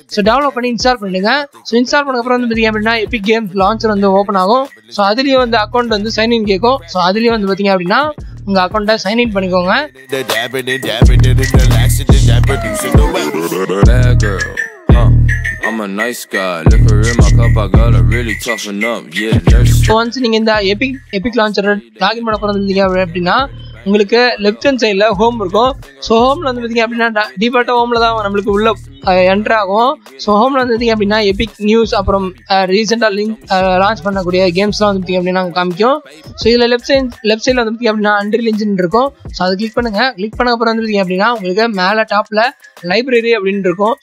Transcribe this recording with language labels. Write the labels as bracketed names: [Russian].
[Tamil] So download பண்ணி install பண்ணுங்க. So install பண்ணக்கப்புறம் வந்து பார்த்திங்க அப்படின்னா எபிக் கேம்ஸ் லான்ச்சர் வந்து ஓப்பன் ஆகும். ஸோ அதுலேயும் வந்து அக்கௌண்ட் வந்து சைன் இன் கேட்கும். ஸோ அதுலேயும் வந்து பார்த்திங்க அப்படின்னா உங்க அக்கௌண்ட்டை சைன் இன் பண்ணிக்கோங்க. [English] I'm a nice guy, liquor in my cup, I gotta really toughen up, yeah, there's... So once you get the Epic Launcher, login [Tamil] பண்ணப்போறதுன்னா உங்களுக்கு லெஃப்ட் ஹேண்ட் சைடில் ஹோம் இருக்கும். ஸோ ஹோமில் வந்து பார்த்திங்க அப்படின்னா டீஃபால்ட்டாக ஹோமில் தான் நம்மளுக்கு உள்ள என்ட்ரு ஆகும். ஸோ ஹோமில் வந்து பார்த்திங்க அப்படின்னா எபிக் நியூஸ் அப்புறம் ரீசெண்டாக லிங்க் லான்ச் பண்ணக்கூடிய கேம்ஸ்லாம் வந்து அப்படின்னா காமிக்கும். ஸோ இதில் லெஃப்ட் சைடில் வந்து அப்படின்னா Unreal Engine இருக்கும். ஸோ அதை கிளிக் பண்ணுங்கள். கிளிக் பண்ணக்கப்புறம் வந்து அப்படின்னா உங்களுக்கு மேலே டாப்பில் லைப்ரரி அப்படின்னு இருக்கும்.